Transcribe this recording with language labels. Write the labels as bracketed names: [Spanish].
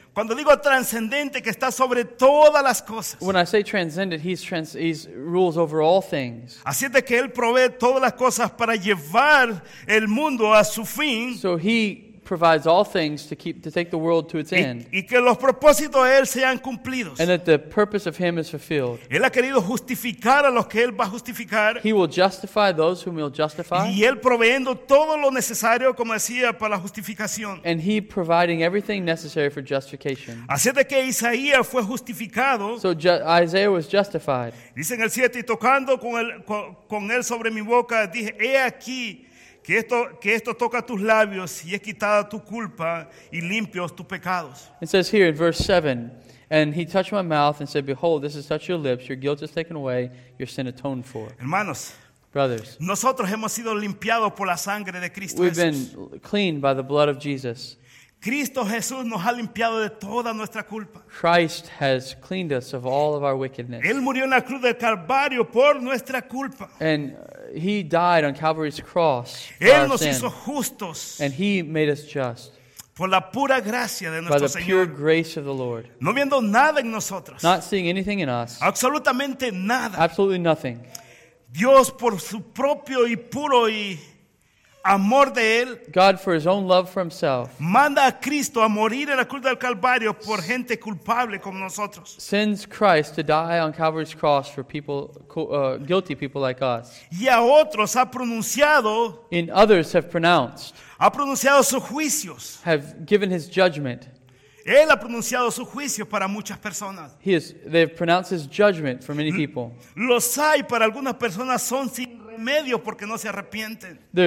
[Spanish] Cuando digo transcendente, que está sobre todas las cosas. [English] When I say transcendent, he's rules over all things. [Spanish] Así es de que él provee todas las cosas para llevar el mundo a su fin. [English] So he provides all things to keep to take the world to its end. [Spanish] Y que los propósitos de él sean cumplidos. [English] And that the purpose of him is fulfilled. [Spanish] Él ha querido justificar a los que él va a justificar. [English] He will justify those whom he'll justify. [Spanish] Y él proveyendo todo lo necesario, como decía, para la justificación. [English] And he providing everything necessary for justification. [Spanish] Así de que Isaías fue justificado. [English] So Isaiah was justified. [Spanish] Dice en el 7, y tocando con él sobre mi boca, dije, he aquí que esto toca tus labios y es quitada tu culpa y limpios tus pecados. [English] It says here in verse 7, and he touched my mouth and said, behold, this has touched your lips, your guilt is taken away, your sin atoned for. [Spanish] Hermanos, [English] brothers, [Spanish] nosotros hemos sido limpiados por la sangre de Cristo [English] Jesús. We've been cleaned by the blood of Jesus. [Spanish] Cristo Jesús nos ha limpiado de toda nuestra culpa. [English] Christ has cleaned us of all of our wickedness. [Spanish] Él murió en la cruz del Calvario por nuestra culpa. [English] And he died on Calvary's cross for [Spanish] Él nos [English] our sin. [Spanish] Hizo justos. [English] And he made us just. [Spanish] Por la pura gracia de nuestro Señor. [English] By the pure grace of the Lord. [Spanish] No viendo nada en nosotros. [English] Not seeing anything in us. [Spanish] Absolutamente nada. [English] Absolutely nothing. [Spanish] Dios por su propio y puro y amor de él, [English] God for his own love for himself, [Spanish] manda a Cristo a morir en la cruz del Calvario por gente culpable como nosotros. [English] Sends Christ to die on Calvary's cross for people, guilty people like us. [Spanish] Y a otros ha pronunciado, [English] in others have pronounced, [Spanish] ha pronunciado sus juicios, [English] have given his judgment. [Spanish] Él ha pronunciado su juicio para muchas personas. [English] They've pronounced his judgment for many people. [Spanish] Los hay para algunas personas son sin remedio porque no se arrepienten.